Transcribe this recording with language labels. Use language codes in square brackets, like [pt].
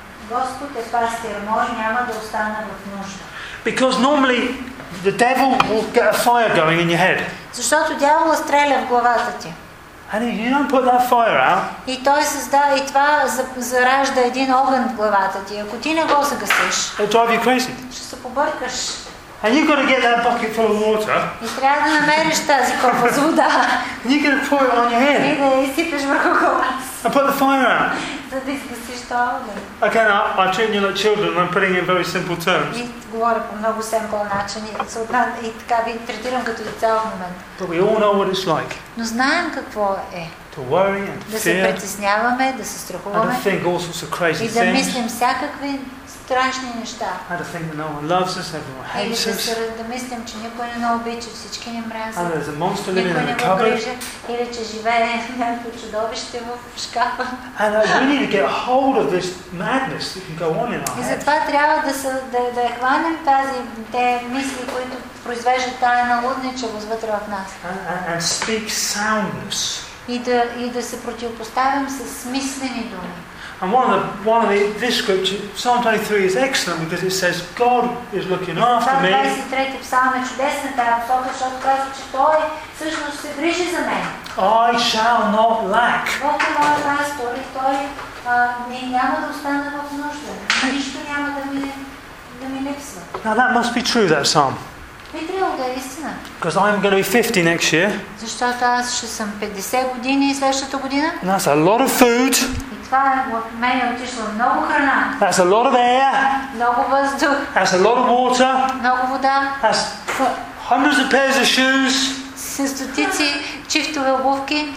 [bg] Господ е пастир мой, няма да остана в нужда. [en] Because normally the devil will get a fire going in your head. [bg] Защото дявола стреля в главата ти. [en] And if you don't put that fire out, [bg] и той създава и това заражда един огън в главата ти. Ако ти не го загасиш, [en] it'll drive you crazy. [bg] Ще се побъркаш. [en] And you've got to get that bucket full of water. [bg] И трябва да намериш тази кофа с вода. [en] And you're going to pour it on your head. [bg] И да изсипеш върху главата. [en] And put the fire out. [bg] За да изгасиш този огън. [en] Okay, now I'm treating you like children. I'm putting it in very simple terms. [bg] И говоря по много simple начин и така ви третирам като деца в момента. [en] But we all know what it's like. [bg] Но знаем какво е. [en] To worry and to [bg] да Да се притесняваме, да се страхуваме. [en] And to think all sorts of crazy things. [bg] И да мислим всякакви страшни неща. [en] And to think that no one loves us, everyone hates us. [bg] Или да мислим, че никой не ни обича, всички ни мразят. [en] And there's a monster living in the cupboard. [bg] Или че живее някакво чудовище в шкафа. [en] And we need to get hold of this madness that can go on in our heads. [bg] И затова трябва да се да хванем тази те мисли, които произвеждат тая налудничавост вътре в нас. [en] And speak soundness. [bg] И да се противопоставим с смислени думи. [en] And one of the this scripture, Psalm 23, is excellent because it says God is looking after me. [bg] Psalm 23 Psalm е чудесен, защото казва, че Той всъщност се грижи за мен. [en] I shall not lack. [bg] Бог е моя пастор, Той няма да остана в нужда. Нищо няма да ми липсва. [en] Now that must be true, that psalm. Because I'm going to be 50 next year. [bg] Защото аз ще съм 50 години следващата година. [en] That's a lot of food. [bg] И това е от мен отишло много храна. [en] That's a lot of air. [bg] Много въздух. [en] That's a lot of water. [bg] Много вода. [en] That's hundreds of pairs of shoes. [bg] Стотици чифтове обувки.